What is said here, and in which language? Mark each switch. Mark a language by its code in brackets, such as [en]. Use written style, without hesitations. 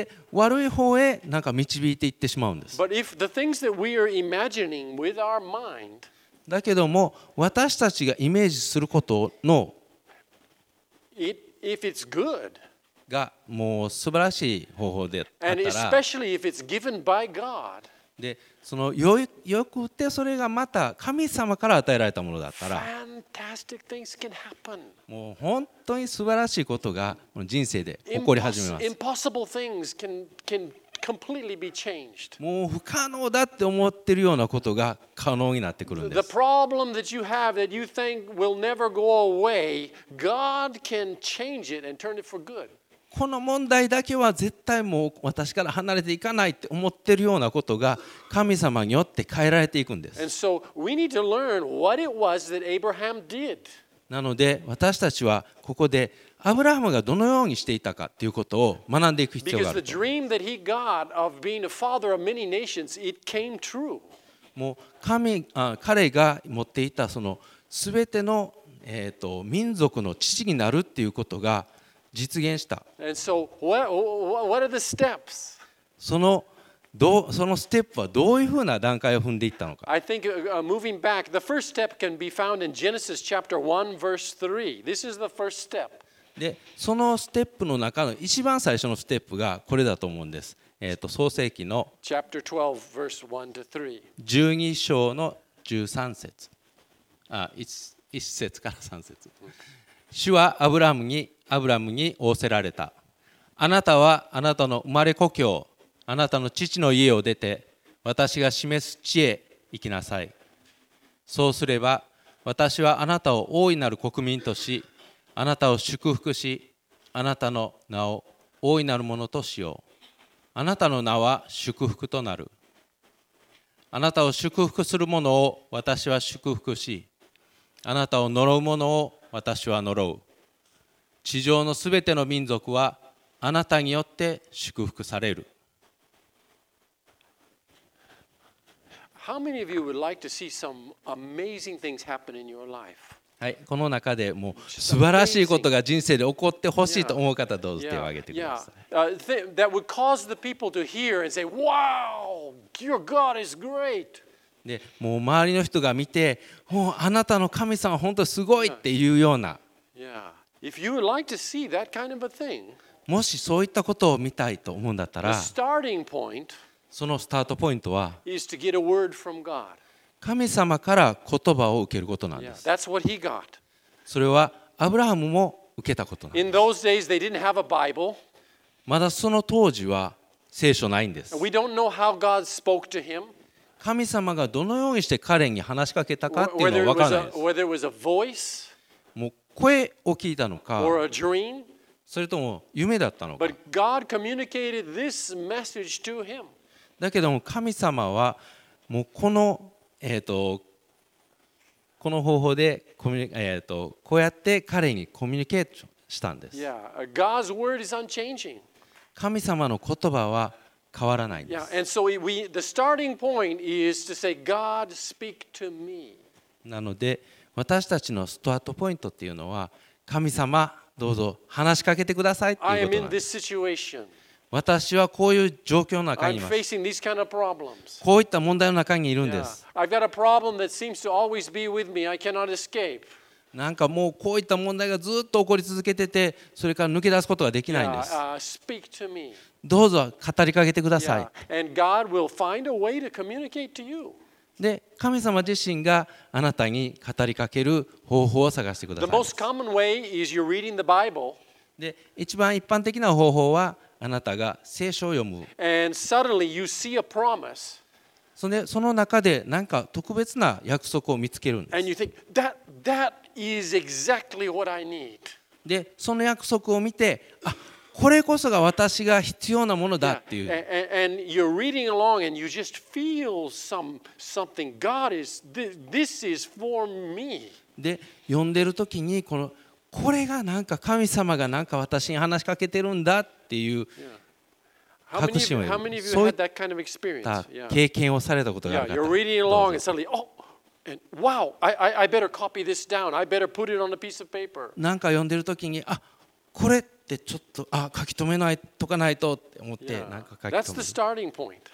[ja] 悪い方へなんか導いていってしまうんです。 [en] But if the things that we are imagining with our mind, [ja] だけども私たちがイメージすることの、 [en] if it's good. [ja] がもう素晴らしい方法であったら、 [en] And especially if it's given by God, [ja] でその よくてそれがまた神様から与えられたものだったら、 [en] Fantastic things can happen. [ja] もう本当に素晴らしいことが人生で起こり始めます。 [en] Impossible things can completely be changed. [ja] もう不可能だって思ってるようなことが可能になってくるんです。 [en] The problem that you have that you think will never go away, God can change it and turn it for good. [ja] この問題だけは絶対もう私から離れていかないって思ってるようなことが神様によって変えられていくんです。 [en] And so we need to learn what it was that Abraham did. [ja] なので私たちはここでアブラハムがどのようにしていたかということを学んでいく必要がある。 [en] Because the dream that he got of being a father of many nations, it came true. [ja] もう神、彼が持っていたその全ての、民族の父になるっていうことが実現した。 [en] And so, what are the steps? [ja] そのステップはどういうふうな段階を踏んでいったのか。 [en] I think moving back, the first step can be found in Genesis chapter 1 verse 3. This is the first step. [ja] で、そのステップの中の一番最初のステップがこれだと思うんです。創世記の [en] chapter 12 verse 1 to 3. [ja] 12章の13節。1節から3節。主はアブラムに仰せられた。あなたはあなたの生まれ故郷、あなたの父の家を出て、私が示す地へ行きなさい。そうすれば、私はあなたを大いなる国民とし、あなたを祝福し、あなたの名を大いなるものとしよう。あなたの名は祝福となる。あなたを祝福する者を私は祝福し、あなたを呪う者を私は呪う。地上のすべての民族はあなたによって祝福される。 [en] How many of you would like to see some amazing things happen in your life? [ja] はい、この中でもう素晴らしいことが人生で起こってほしいと思う方どうぞ手を挙げてください。 [en] That would cause the people to hear and say, "Wow, your God is great." [ja] で、もう周りの人が見て、もうあなたの神様本当すごいっていうような。 [en] Yeah. If you would like to see that kind of a thing, [ja] もしそういったことを見たいと思うんだったら、 [en] the starting point, [ja] そのスタートポイントは、 [en] is to get a word from God. [ja] 神様から言葉を受けることなんです。 [en] Yeah, that's what he got. [ja] それはアブラハムも受けたことなんです。 [en] In those days, they didn't have a Bible. [ja] まだその当時は聖書ないんです。 [en] We don't know how God spoke to him. [ja] 神様がどのようにして彼に話しかけたかっていうのは分からないです。 [en] Whether it was a voice. [ja] 声を聞いたのか、 [en] or a dream, [ja] それとも夢だったのか。 [en] But God communicated this message to him. [ja] だけども神様はもうこの、この方法でこうやって彼にコミュニケーションしたんです。 [en] Yeah, God's word is unchanging. [ja] 神様の言葉は変わらないんです。 [en] Yeah, and so the starting point is to say, God, speak to me. [ja] なので。私たちのスタートポイントっていうのは、神様どうぞ話しかけてくださいっていうことなんです。私はこういう状況の中にいます。 [en] I'm kind of [ja] こういった問題の中にいるんです。 [en] yeah. [ja] なんかもうこういった問題がずっと起こり続けてて、それから抜け出すことができないんです。 [en] yeah. [ja] どうぞ語りかけてください。 [en] yeah. And God will find a way to communicate to you. [ja] で、神様自身があなたに語りかける方法を探してください。 [en] The most common way is you're reading the Bible. [ja] で、一番一般的な方法はあなたが聖書を読む。 [en] And suddenly you see a promise. [ja] その中で何か特別な約束を見つけるんです。 [en] And you think that is exactly what I need. [ja] で、その約束を見て、あ、これこそが私が必要なものだっていう。 [en] And you're reading along and you just feel something. God is, this is for me. [ja] で、読んでる時にこのこれがなんか神様がなんか私に話しかけてるんだっていう確信を得る。そういった経験をされたことがある方。なんか読んでる時に、あ、これってちょっと、あ、書き留めないとかないとって思ってなんか書き留める。